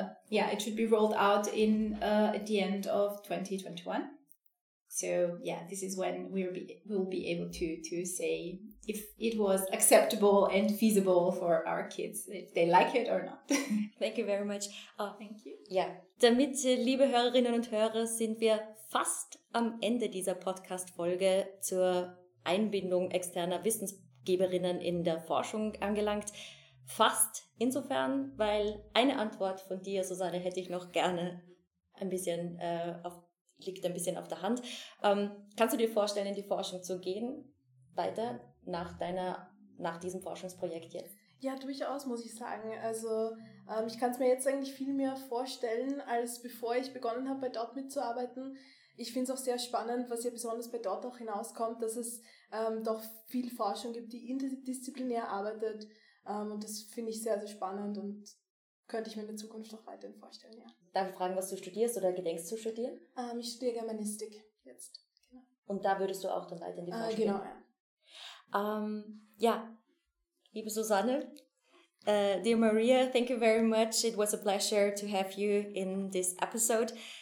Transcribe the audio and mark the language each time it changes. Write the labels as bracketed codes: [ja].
[en] It should be rolled out in at the end of 2021. So yeah, this is when we'll be able to say if it was acceptable and feasible for our kids, if they like it or not. Thank you very much. Oh, thank you. Yeah. [de] Damit, liebe Hörerinnen und Hörer, sind wir fast am Ende dieser Podcast-Folge zur Einbindung externer Wissensgeberinnen in der Forschung angelangt. Fast insofern, weil eine Antwort von dir, Susanne, hätte ich noch gerne liegt ein bisschen auf der Hand. Kannst du dir vorstellen, in die Forschung zu gehen, weiter nach diesem Forschungsprojekt jetzt? Ja, durchaus, muss ich sagen. Also ich kann es mir jetzt eigentlich viel mehr vorstellen, als bevor ich begonnen habe, bei DOT mitzuarbeiten. Ich finde es auch sehr spannend, was ja besonders bei DOT auch hinauskommt, dass es doch viel Forschung gibt, die interdisziplinär arbeitet. Und das finde ich sehr, sehr spannend und könnte ich mir in der Zukunft auch weiterhin vorstellen, ja. Darf ich fragen, was du studierst oder gedenkst zu studieren? Ich studiere Germanistik jetzt. Genau. Und da würdest du auch dann weiter in die Forschung gehen? Genau, ja. [en] Liebe Susanne, dear Maria, thank you very much. It was a pleasure to have you in this episode.